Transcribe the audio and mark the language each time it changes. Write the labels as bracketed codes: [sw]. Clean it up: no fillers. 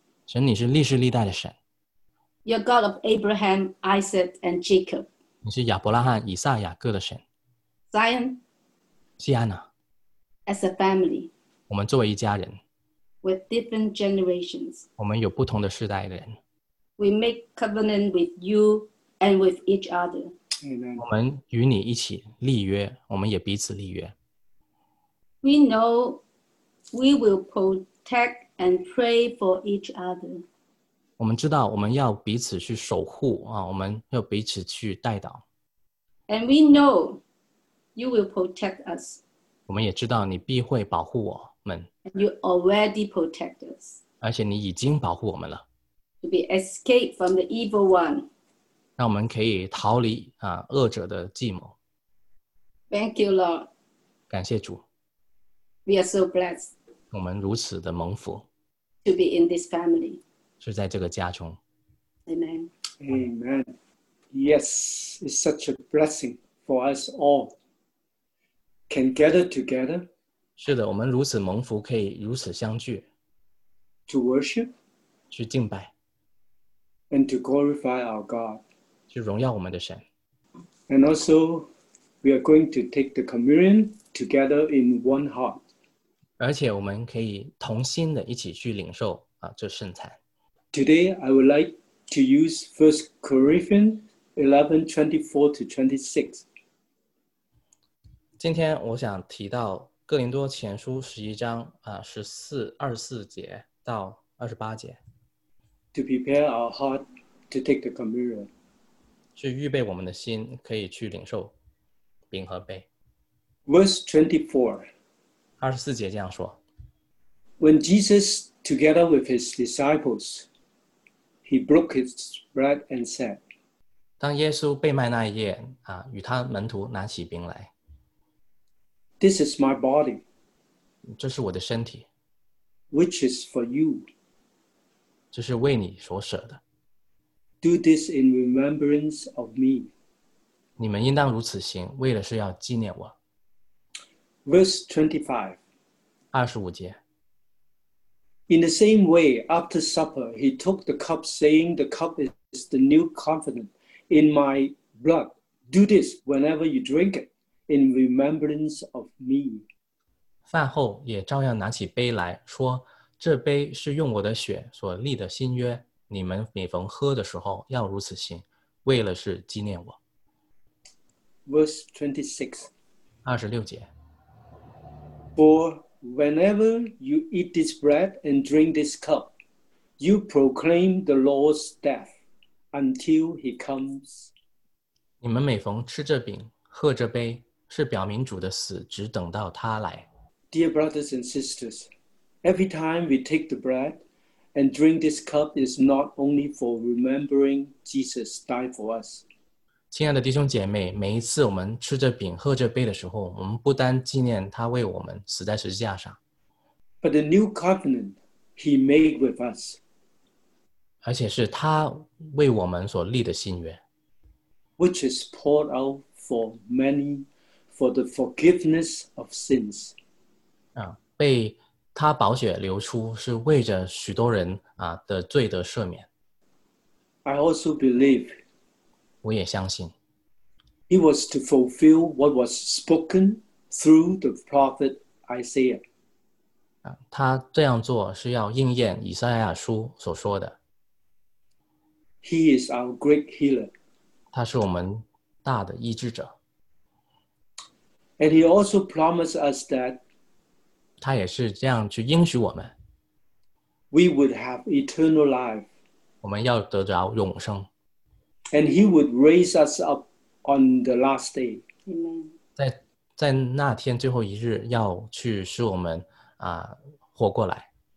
[zh] 神，你是历世历代的神。 [en] You're God of Abraham, Isaac, and Jacob. [zh] 你是亚伯拉罕、以撒、雅各的神。 [en] Zion. [zh] 西安啊。 [en] As a family. [zh] 我们作为一家人。 [en] With different generations. [zh] 我们有不同的世代的人。 [en] We make covenant with you and with each other. Amen. [zh] 我们与你一起立约，我们也彼此立约。 [en] We know we will protect and pray for each other. [zh] 我们知道我们要彼此去守护啊，我们要彼此去代祷。 [en] And we know you will protect us. [zh] 我们也知道你必会保护我们。 [en] You already protect us. [zh] 而且你已经保护我们了。 [en] To be escaped from the evil one. [zh] 让我们可以逃离恶者的计谋。 [en] Thank you, Lord. [zh] 感谢主。 [en] We are so blessed. [zh] 我们如此的蒙福。 [en] To be in this family. [zh] 是在这个家中。 [en] Amen. Amen. Yes, it's such a blessing for us all. Can gather together. [zh] 是的，我们如此蒙福，可以如此相聚。 [en] To worship. [zh] 去敬拜。 [en] And to glorify our God. [zh] 去荣耀我们的神。 [en] And also, we are going to take the communion together in one heart. [zh] 而且我们可以同心的一起去领受这圣餐。 [en] Today, I would like to use 1 Corinthians 11:24-26. [zh] 今天我想提到哥林多前书十一章二十四节到二十八节。 [en] To prepare our heart to take the communion. [zh] 去预备我们的心可以去领受饼和杯。 [en] Verse 24. [zh] 二十四节这样说。 [en] When Jesus, together with his disciples, he broke his bread and said, [zh] 当耶稣被卖那一夜与他门徒拿起饼来。 [en] This is my body, [zh] 这是我的身体。 [en] Which is for you, [zh] 这是为你所舍的。 [en] Do this in remembrance of me, [zh] 你们应当如此行，为的是要纪念我。 [en] Verse 25, [zh] 二十五节。 [en] In the same way, after supper, he took the cup, saying, "The cup is the new covenant in my blood. Do this whenever you drink it, in remembrance of me." [zh] 饭后也照样拿起杯来说，这杯是用我的血所立的新约。你们每逢喝的时候要如此行，为了是纪念我。 [en] Verse 26, [zh] 二十六节。 [en] For whenever you eat this bread and drink this cup, you proclaim the Lord's death until he comes. [zh] 你们每逢吃这饼、喝这杯，是表明主的死，只等到他来。 [en] Dear brothers and sisters, every time we take the bread and drink this cup is not only for remembering Jesus died for us. [zh] 亲爱的弟兄姐妹，每一次我们吃这饼、喝这杯的时候，我们不单纪念他为我们死在十字架上。 [en] But the new covenant he made with us. [zh] 而且是他为我们所立的新约。 [en] Which is poured out for many for the forgiveness of sins. [zh] 被他宝血流出是为着许多人的罪得赦免。 [en] I also believe. [zh] 我也相信。 [en] It was to fulfill what was spoken through the prophet Isaiah. [zh] 他这样做是要应验以赛亚书所说的。 [en] He is our great healer. [zh] 他是我们大的医治者。 [en] And he also promised us that [zh] 他也是这样去应许我们。 [en] We would have eternal life. [zh] 我们要得着永生。 [en] And he would raise us up on the last day. [zh] 在那天最后一日要去使我们活过来。